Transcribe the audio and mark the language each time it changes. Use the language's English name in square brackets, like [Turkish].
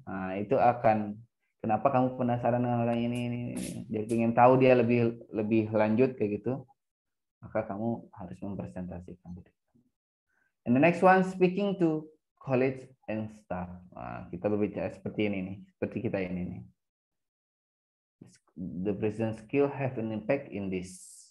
[Indonesian] Nah, itu akan, kenapa kamu penasaran dengan orang ini, dia ingin tahu dia lebih lebih lanjut kayak gitu, maka kamu harus mempresentasikan. [English] And the next one, speaking to college and staff. [Indonesian] Nah, kita berbicara seperti ini nih, seperti kita ini nih. [English] The present skill have an impact in this.